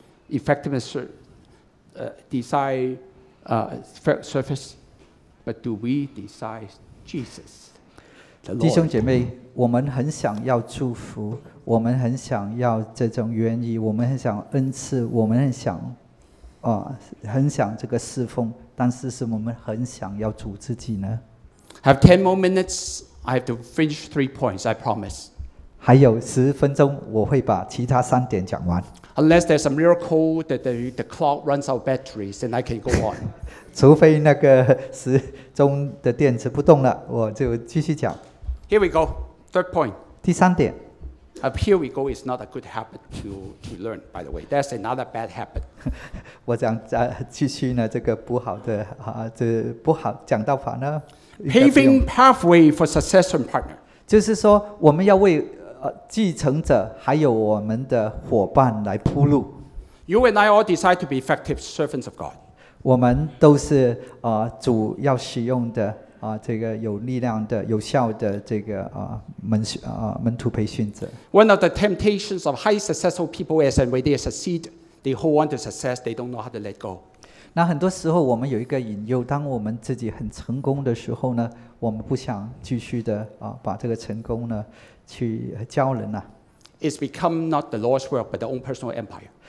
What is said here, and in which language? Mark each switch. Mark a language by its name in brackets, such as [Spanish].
[English] Effectiveness, desire, service, but do we desire Jesus? [Chinese] 弟兄姐妹，我们很想要祝福，我们很想要这种原意，我们很想恩赐，我们很想，很想这个侍奉，但是是我们很想要主自己呢。 [English] I have 10 more minutes. I have to finish 3 points. I promise. [Chinese] 还有10分钟，我会把其他3点讲完。 [English] unless there's a miracle that the clock runs out batteries, then I can go on. [Chinese] 除非那个时钟的电池不动了，我就继续讲。 [English] Here we go, third point. [Chinese] 第三点。 [English] Here we go is not a good habit to learn. By the way, that's another bad habit. [Chinese] 我讲继续呢，这个不好的啊，这不好讲道法呢。 [English] Paving pathway for succession partner. [Chinese] 就是说，我们要为继承者还有我们的伙伴来铺路。 [English] You and I all decide to be effective servants of God. [Chinese] 我们都是主要使用的。这个有力量的、有效的这个门徒培训者。 [English] One of the temptations of high successful people is when they succeed, they hold on to success, they don't know how to let go. [Chinese] 那很多时候我们有一个引诱，当我们自己很成功的时候呢，我们不想继续的把这个成功呢去教人呐。 [English] It's become not the Lord's will, but the own personal empire.